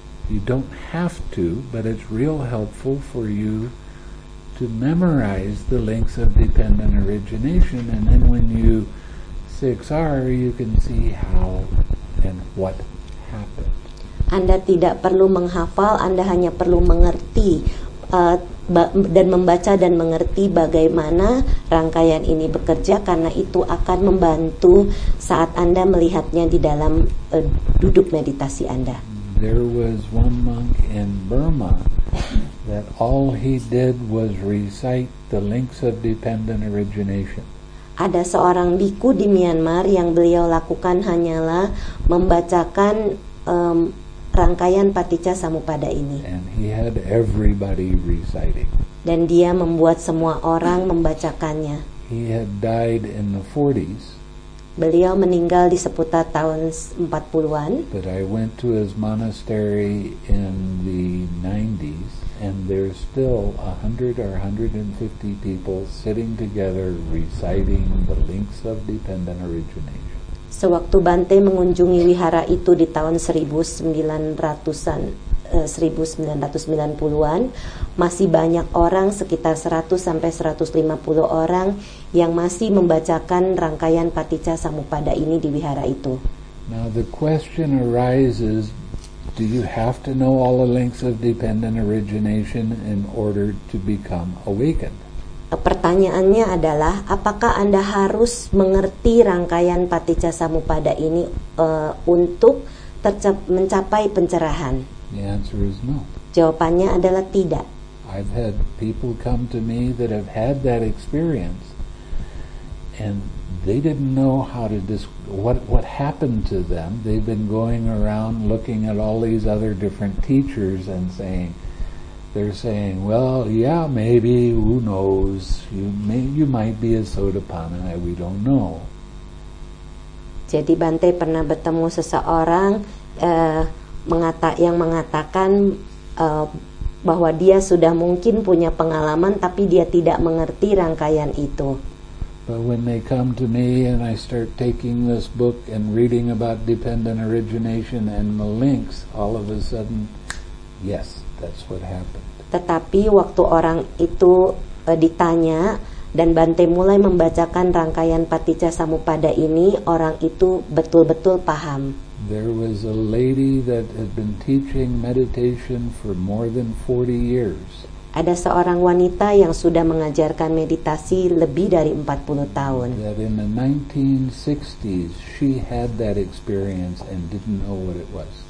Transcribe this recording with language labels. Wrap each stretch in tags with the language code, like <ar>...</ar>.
<en>You don't have to, but it's real helpful for you to memorize the links of dependent origination, and then when you 6R, you can see how and what happened.</en> <id>Anda tidak perlu menghafal, Anda hanya perlu mengerti dan membaca dan mengerti bagaimana rangkaian ini bekerja, karena itu akan membantu saat Anda melihatnya di dalam duduk meditasi Anda.</id> <en>There was one monk in Burma that all he did was recite the links of dependent origination.</en> <id>Ada seorang biku di Myanmar yang beliau lakukan hanyalah membacakan rangkaian Paticca-samuppada ini.</id> <en>And he had everybody reciting.</en> <id>Dan dia membuat semua orang membacakannya.</id> <en>He had died in the 40s.</en> <id>Beliau meninggal di seputar tahun 40-an.</id> <en>But I went to his monastery in the 90s, and there's still 100 or 150 people sitting together reciting the links of dependent origination.</en> <id>Sewaktu Bante mengunjungi wihara itu di tahun 1990-an, masih banyak orang, sekitar 100 sampai 150 orang yang masih membacakan rangkaian Paticca-samuppada ini di wihara itu.</id> <en>Now the question arises, do you have to know all the links of dependent origination in order to become awakened?</en> <id>Pertanyaannya adalah, apakah Anda harus mengerti rangkaian Paticca-samuppada ini untuk mencapai pencerahan?</id> <en>The answer is no.</en> <id>Jawabannya adalah tidak.</id> <en>I've had people come to me that have had that experience and they didn't know how to what happened to them. They've been going around looking at all these other different teachers and saying, they're saying, well, yeah, maybe, who knows, you might be a Sotapanna, we don't know.</en> <id>Jadi Bante pernah bertemu seseorang yang mengatakan bahwa dia sudah mungkin punya pengalaman, tapi dia tidak mengerti rangkaian itu.</id> <en>But when they come to me and I start taking this book and reading about dependent origination and the links, all of a sudden, yes, that's what happened.</en> <id>Tetapi waktu orang itu ditanya dan Bante mulai membacakan rangkaian Paticca-samuppada ini, orang itu betul-betul paham.</id> <en>There was a lady that had been teaching meditation for more than 40 years.</en> <id>Ada seorang wanita yang sudah mengajarkan meditasi lebih dari 40 tahun.</id> <en>That in the 1960s she had that experience and didn't know what it was.</en>